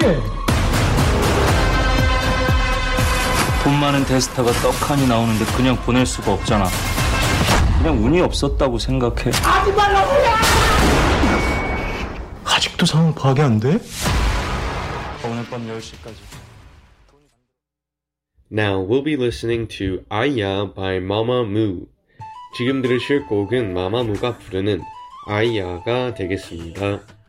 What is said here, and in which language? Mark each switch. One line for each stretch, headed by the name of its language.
Korean: 돈 많은 대스타가 떡하니 나오는데 그냥 보낼 수가 없잖아. 그냥 운이 없었다고 생각해. 하지 말라고! 아직도 상황 파악이 안 돼?
English: Tonight at 10:00. Now we'll be listening to Aya by Mamamoo.
Korean: 지금 들으실 곡은 마마무가 부르는 아이야가 되겠습니다.